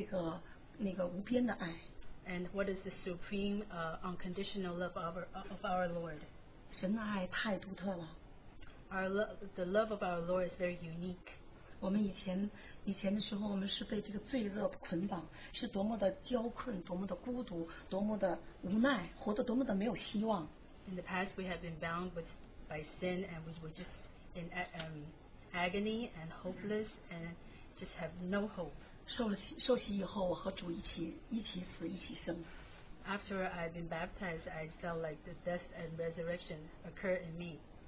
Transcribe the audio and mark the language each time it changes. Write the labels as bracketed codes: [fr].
[zh] 什么是神的至高无上的这个那个无边的爱。 [en] And what is the supreme unconditional love of our Lord? [zh] 神的爱太独特了。 [en] The love of our Lord is very unique. [zh] 我们以前的时候，我们是被这个罪恶捆绑，是多么的焦困，多么的孤独，多么的无奈，活得多么的没有希望。 [en] In the past, we have been bound by sin, and we were just in agony and hopeless, and just have no hope. [zh] 受洗以后，我和主一起死，一起生。 [en] After I've been baptized, I felt like the death and resurrection occurred in me.